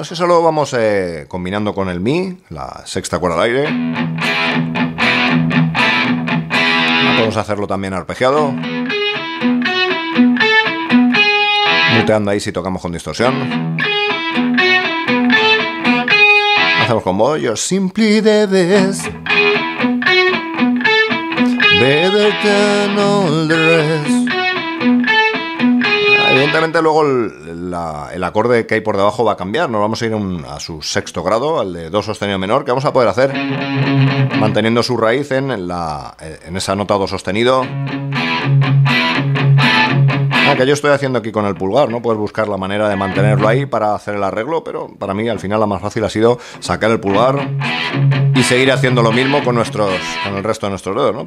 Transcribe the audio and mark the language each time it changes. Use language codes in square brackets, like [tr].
[es] Eso lo vamos combinando con el mi, la sexta cuerda al aire. Podemos hacerlo también arpegiado, muteando ahí si tocamos con distorsión. Hacemos con voz. [en] You're simply the best, better than all the rest. [es] Evidentemente luego el acorde que hay por debajo va a cambiar. Nos vamos a ir a su sexto grado, al de do sostenido menor, que vamos a poder hacer manteniendo su raíz en esa nota do sostenido. Que yo estoy haciendo aquí con el pulgar, ¿no? Puedes buscar la manera de mantenerlo ahí para hacer el arreglo, pero para mí al final la más fácil ha sido sacar el pulgar y seguir haciendo lo mismo con el resto de nuestros dedos, ¿no?